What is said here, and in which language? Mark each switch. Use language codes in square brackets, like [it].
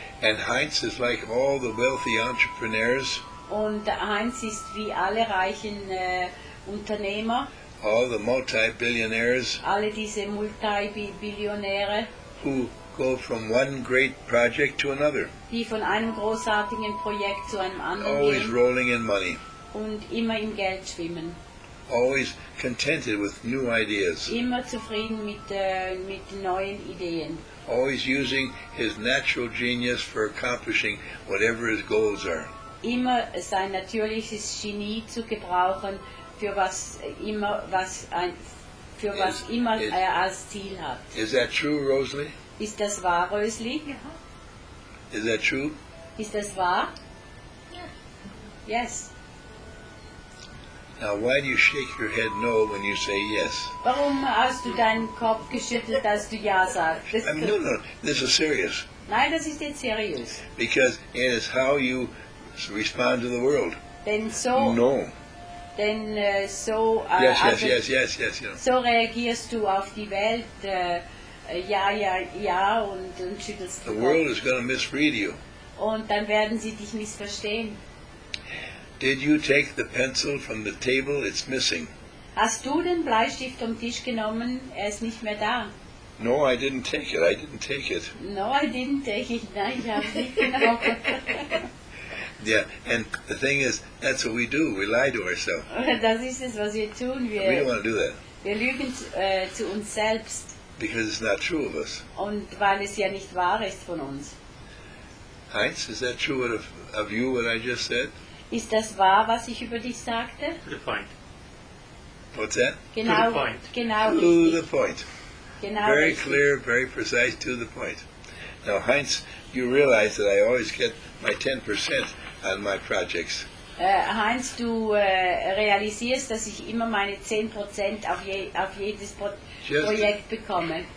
[en] And Heinz is like all the wealthy entrepreneurs. [de] Und Heinz ist wie alle reichen Unternehmer. [en] All the multi-billionaires. [de] Alle diese Multi-Billionäre. [en] Who go from one great project to another. [de] Die von einem großartigen Projekt zu einem anderen gehen. [en] Always rolling in money. [de] Und immer im Geld schwimmen. [en] Always contented with new ideas. [de] Immer zufrieden mit neuen Ideen. [en] Always using his natural genius for accomplishing whatever his goals are. [de] Immer sein natürliches Genie zu gebrauchen für was immer er als Ziel hat. [en] Is that true, Rosalie? [de] Ist das wahr, Rosalie? Ja. [en] Is that true? [de] Ist das wahr? Ja. [en] Yes. Now, why do you shake your head no when you say yes? [de] Warum hast du deinen Kopf geschüttelt, als du ja sagst? [en] No, this is serious. [de] Nein, das ist jetzt serious. [en] Because it is how you respond to the world. [de] Denn so. [en] No. [de] Denn so. [en] Yes. You know. [de] So reagierst du auf die Welt. Und schüttelst [en] the world is going to misread you. [de] Und dann werden sie dich missverstehen. [en] Did you take the pencil from the table? It's missing. [de] Hast du den Bleistift vom Tisch genommen? Er ist nicht mehr da. No, I didn't take it. [en] No, I didn't take it. [de] Nein, ich habe es nicht genommen. [en] Yeah, and the thing is, that's what we do. We lie to ourselves. [de] Das ist es, was wir tun. [en] We don't want to do that. [de] Wir lügen zu uns selbst. [en] Because it's not true of us. [de] Und weil es ja nicht wahr ist von uns. [en] Heinz, is that true of you, what I just said? [de] Ist das wahr, was ich über dich sagte? [en] To the point. What's that? [de] Genau, [en] to the point. [de] Genau [en] to [de] richtig. [en] The point. [de] Genau [en] very [de] richtig. [en] Clear, very precise, to the point. Now, Heinz, you realize that I always get my 10% on my projects. [de] Heinz, du realisierst, dass ich immer meine 10% auf jedes Projekt bekomme.